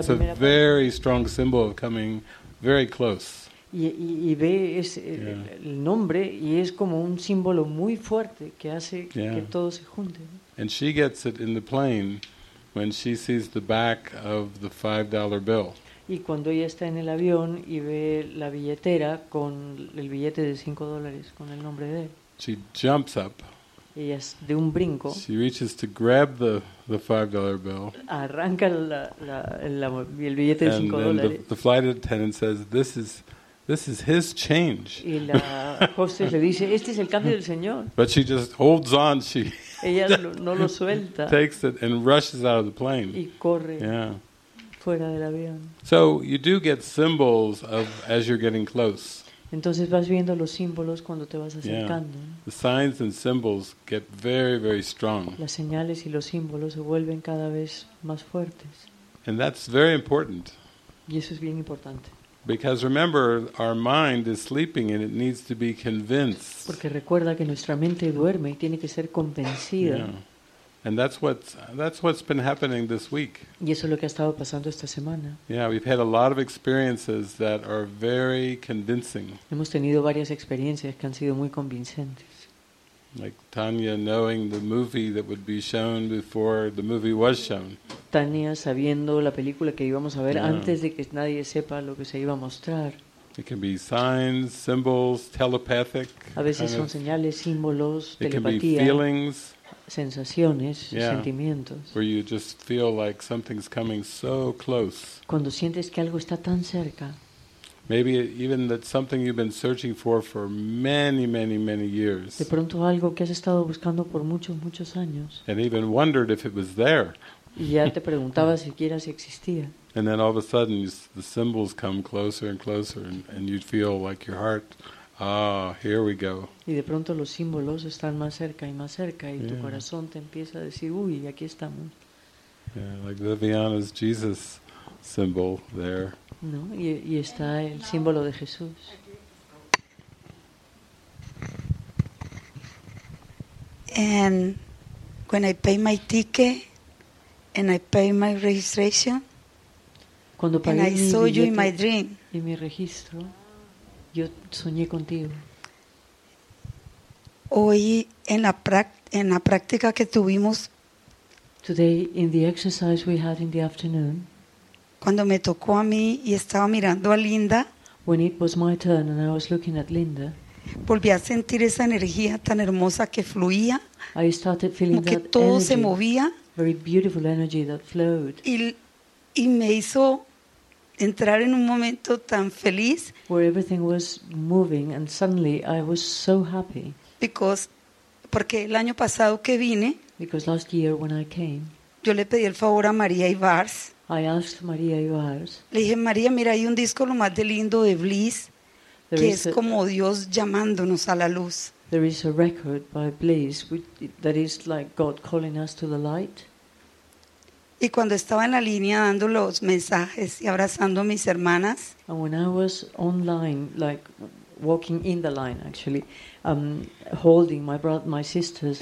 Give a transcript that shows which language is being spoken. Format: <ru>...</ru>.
<en>it's a very strong symbol of coming very close.</en> <es>Y ve el nombre y es como un símbolo muy fuerte que hace que todo se junte.</es> <en>And she gets it in the plane when she sees the back of the $5 bill.</en> <es>Y cuando ella está en el avión y ve la billetera con el billete de $5 con el nombre de él.</es> <en>She jumps up.</en> <es>Ella es de un brinco.</es> <en>She reaches to grab the $5 bill.</en> <es>Arranca el billete de $5.</es> <en>And the flight attendant says, "This is his change."</en> <es>Y la hostess le dice, "Este es el cambio del señor."</es> <en>But she just holds on. She</en> <es>ella no lo suelta.</es> <en>Takes it and rushes out of the plane.</en> <es>Y corre fuera del avión.</es> <en>So you do get symbols of as you're getting close.</en> <es>Entonces vas viendo los símbolos cuando te vas acercando.</es> <en>Yeah. The signs and symbols get very, very strong.</en> <es>Las señales y los símbolos se vuelven cada vez más fuertes.</es> <en>And that's very important.</en> <es>Y eso es bien importante.</es> <en>Because remember, our mind is sleeping and it needs to be convinced.</en> <es>Porque recuerda que nuestra mente duerme y tiene que ser convencida.</es> <en>Yeah. And that's what's been happening this week.</en> <es>Y eso es lo que ha estado pasando esta semana.</es> <en>Yeah, we've had a lot of experiences that are very convincing.</en> <es>Hemos tenido varias experiencias que han sido muy convincentes.</es> <en>Like Tanya knowing the movie that would be shown before the movie was shown.</en> <es>Tanya sabiendo la película que íbamos a ver antes de que nadie sepa lo que se iba a mostrar.</es> <en>It can be signs, symbols, telepathic.</en> <es>A veces son señales, símbolos, telepatía.</es> <en>It can be feelings.</en> <es>Sensaciones, sentimientos.</es> <en>Where you just feel like something's coming so close.</en> <es>Cuando sientes que algo está tan cerca.</es> <en>Maybe even that something you've been searching for many, many, many years.</en> <es>De pronto algo que has estado buscando por muchos, muchos años.</es> <en>And even wondered if it was there.</en> <es>Y ya te preguntaba siquiera si existía.</es> <en>And then all of a sudden the symbols come closer and closer and you'd feel like your heart, ah, here we go.</en> <es>Y de pronto los símbolos están más cerca y más cerca y tu corazón te empieza a decir, uy, aquí estamos.</es> <en>Yeah, like Viviana's Jesus symbol there.</en> <es>No, y está el símbolo de Jesús.</es> <en>And when I pay my ticket and I pay my registration,</en> <es>cuando pagué</es> <en>and I saw you in my dream,</en> <es>y mi registro, yo soñé contigo. Hoy en la práctica que tuvimos,</es> <en>today in the exercise we had in the afternoon,</en> <es>cuando me tocó a mí y estaba mirando a Linda,</es> <en>when it was my turn and I was looking at Linda,</en> <es>volví a sentir esa energía tan hermosa que fluía,</es> <en>I started feeling</en> <es>como que todo se movía,</es> <en>very beautiful energy that flowed,</en> <es>y me hizo entrar en un momento tan feliz,</es> <en>where everything was moving and suddenly I was so happy,</en> <es>porque el año pasado que vine,</es> <en>because last year when I came,</en> <es>yo le pedí el favor a María Ibarz.</es> <en>I asked María Ibarz.</en> <es>Le dije, María, mira, hay un disco lo más de lindo de Bliss, que es como Dios llamándonos a la luz.</es> <en>There is a record by Bliss that is like God calling us to the light.</en> <es>Y cuando estaba en la línea dando los mensajes y abrazando a mis hermanas,</es> <en>and when I was online, like walking in the line, actually, holding my sisters</en>